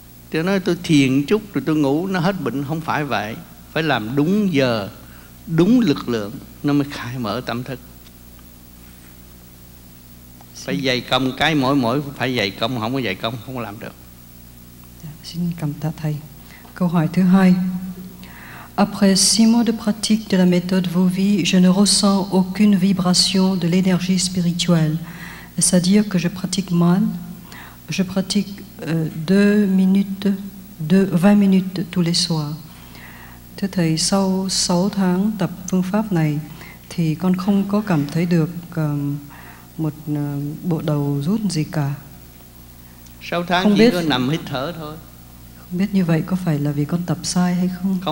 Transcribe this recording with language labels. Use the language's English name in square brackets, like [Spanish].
[Vietnamese] Tôi nói tôi thiền chút rồi tôi ngủ nó hết bệnh, không phải vậy. Phải làm đúng giờ, đúng lực lượng, nó mới khai mở tâm thức. Phải dày công, cái mỗi phải dày công, không có dày công không làm được. Xin cảm tạ Thầy. Câu hỏi thứ hai. [French] Après six mois de pratique de la méthode Vovi, je ne ressens aucune vibration de l'énergie spirituelle. C'est-à-dire que je pratique mal. Je pratique 20 minutes tous les soirs. [Vietnamese] Thưa Thầy, sau 6 tháng tập phương pháp này, thì con không có cảm thấy được một bộ đầu rút gì cả. 6 tháng không chỉ biết, có nằm hít thở thôi. Không biết như vậy có phải là vì con tập sai hay không?